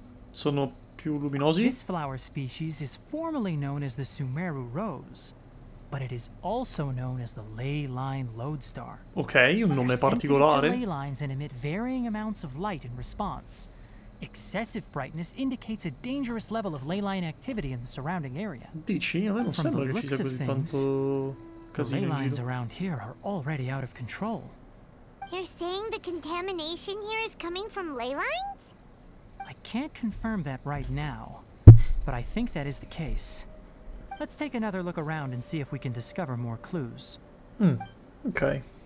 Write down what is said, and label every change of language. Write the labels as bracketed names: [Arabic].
[Italian] Sono più luminosi? [English] This flower species is formerly known as the Sumeru Rose, but it is also known as the Ley Line Lodestar. [Italian] Okay, un nome particolare. [English] Ley lines and emit varying amounts of light in response. Excessive brightness indicates a dangerous level of ley line activity in the surrounding area. [Italian] Dici, a me non sembra che ci sia così tanto casino. [English] Ley lines around here are already out of control. You're saying the contamination here is coming from ley lines? I can't confirm that right now, but I think that is the case. Let's take another look around and see if we can discover more clues. Okay.